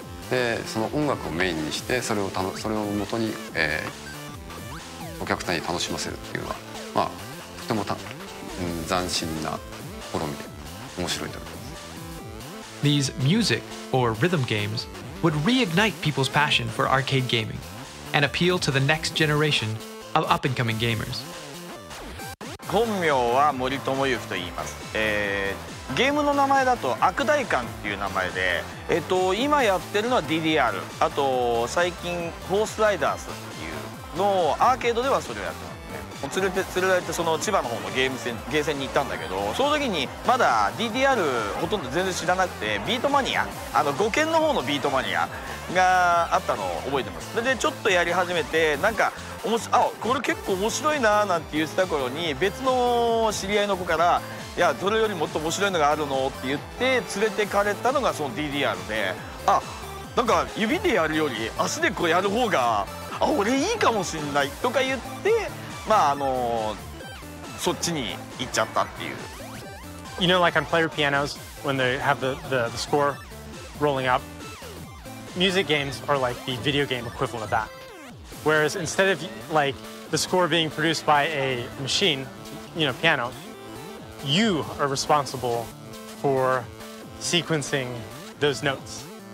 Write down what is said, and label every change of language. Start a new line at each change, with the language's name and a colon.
Japanese: でその音楽をメインにして、それをもとに、お客さんに楽しませるっていうのは、まあとても斬新な試みで面白いと思います。
English: These music or rhythm games would reignite people's passion for arcade gaming and appeal to the next generation of up and coming gamers.
Japanese: 本名は森友由布と言います。ゲームの名前だと悪代官っていう名前で、今やってるのは DDR、 あと最近ホースライダースっていうのをアーケードではそれをやってたんで、連れられてその千葉の方のゲーセンに行ったんだけど、その時にまだ DDR ほとんど全然知らなくて、ビートマニア、あの5軒の方のビートマニアがあったのを覚えてます。でちょっとやり始めて、なんかあこれ結構面白いななんて言ってた頃に、別の知り合いの子から、いやどれよりもっと面白いのがあるのって言って連れてかれたのがその DDR で、あなんか指でやるより足でこうやる方が、あ俺いいかもしんないとか言って、まああのそっちに行っちゃったっていう。
English: You know like on player pianos when they have the score rolling up, music games are like the video game equivalent of that, whereas instead of like the score being produced by a machine, you know, pianoYou are responsible for sequencing those notes.